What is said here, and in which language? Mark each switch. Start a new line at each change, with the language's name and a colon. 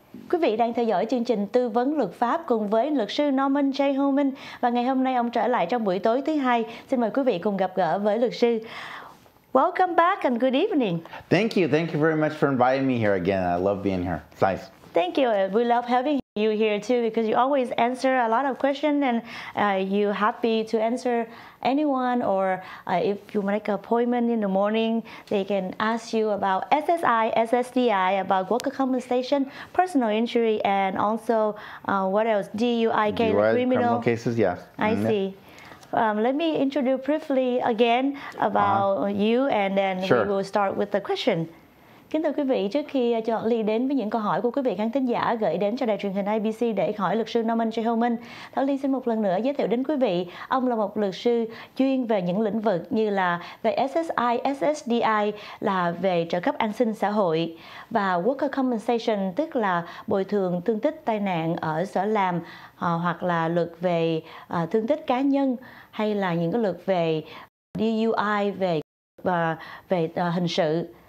Vietnamese: Quý vị đang theo dõi chương trình Tư vấn Luật pháp cùng với luật sư Norman J. Holman. Và ngày hôm nay ông trở lại trong buổi tối thứ hai. Xin mời quý vị cùng gặp gỡ với luật sư.
English: Welcome back and good evening. Thank you. Thank you very much for inviting me here again. I love being here. It's nice. Thank you. We love having you here too because you always answer a lot of questions and you happy to answer anyone or if you make an appointment in the morning, they can ask you about SSI, SSDI, about worker compensation, personal injury, and also what else? DUIK, criminal cases, yes. I see. Let me introduce briefly again about you and then we will start with the question.
Vietnamese: Kính thưa quý vị, trước khi cho Ly đến với những câu hỏi của quý vị khán thính giả gửi đến cho đài truyền hình ABC để hỏi luật sư Norman J. Holman, Thảo Ly xin một lần nữa giới thiệu đến quý vị, ông là một luật sư chuyên về những lĩnh vực như là về SSI, SSDI là về trợ cấp an sinh xã hội và worker compensation tức là bồi thường thương tích tai nạn ở sở làm hoặc là luật về thương tích cá nhân hay là những cái luật về DUI về hình sự.